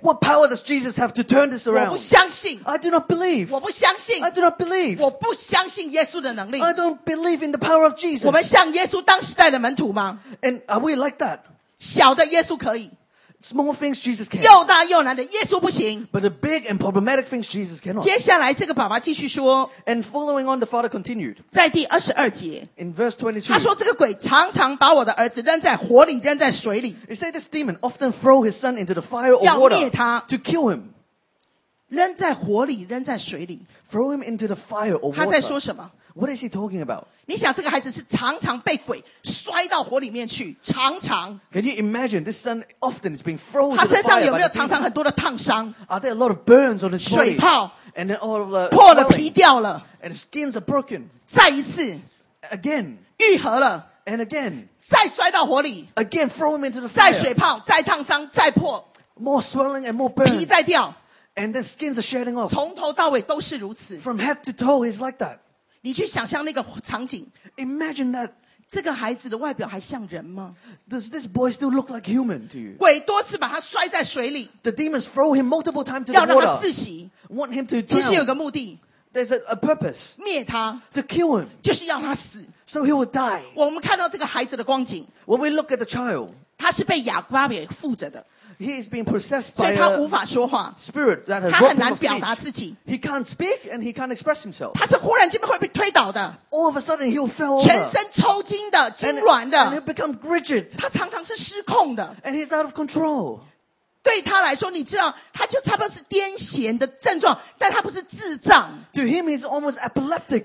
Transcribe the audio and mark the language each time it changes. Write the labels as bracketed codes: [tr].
[en] ？What power does Jesus have to turn this around? [zh] 我不相信 [en] ，I do not believe. [zh] 我不相信 [en] ，I do not believe. [zh] 我不相信耶稣的能力 [en] ，I don't believe in the power of Jesus. [zh] 我们像耶稣当时代的门徒吗 [en] ？And are we like that? [zh] 小的耶稣可以。 [en] Small things Jesus can. [zh] 又大又难的耶稣不行。 [en] But the big and problematic things Jesus cannot. [zh] 接下来这个爸爸继续说。 [en] And following on, the father continued. [zh] 在第二十二节。 [en] In verse 22. [zh] 他说这个鬼常常把我的儿子扔在火里，扔在水里。 [en] He said this demon often throw his son into the fire or water. [zh] 要灭他。 [en] To kill him. [zh] 扔在火里，扔在水里。 [en] Throw him into the fire or water. [zh] 他在说什么？ [en] What is he talking about? [zh] 你想这个孩子是常常被鬼摔到火里面去，常常。 [en] Can you imagine this son often is being thrown into [zh] 他身上有没有常常很多的烫伤 [en] ？Are there a lot of burns on his body? [zh] 水泡 [en] ，and then all of the [zh] 破了皮掉了 [en] ，and skins are broken. [zh] 再一次 [en] ，again [zh] 愈合了 [en] ，and again [zh] 再摔到火里 [en] ，again throw him into the fire. [zh] 再水泡，再烫伤，再破 [en] ，more swelling and more burns. [zh] 皮再掉 [en] ，and the skins are shedding off. [zh] 从头到尾都是如此 [en] ，from head to toe is like that. [zh] 你去想象那个场景 [en] ，Imagine that， [zh] 这个孩子的外表还像人吗 [en] ？Does this boy still look like human to you？ [zh] 鬼多次把他摔在水里 [en] ，The demons throw him multiple times to the water， [zh] 要让他窒息 [en] ，Want him to drown。 [zh] 其实有个目的 [en] ，There's a purpose， [zh] 灭他 [en] ，To kill him， [zh] 就是要他死 [en] ，So he will die。 [zh] 我们看到这个孩子的光景 [en] ，When we look at the child， [zh] 他是被哑巴鬼附着的。 [en] He is being possessed by a spirit that has robbed him of speech. He can't speak and he can't express himself. [zh] 他是忽然间会被推倒的。 [en] All of a sudden he will fall over. [zh] 全身抽筋的，痉挛的。 [en] And he'll become rigid. [zh] 他常常是失控的。 [en] And he's out of control. [zh] 对他来说，你知道，他就差不多是癫痫的症状，但他不是智障。 [en] To him, he's almost epileptic.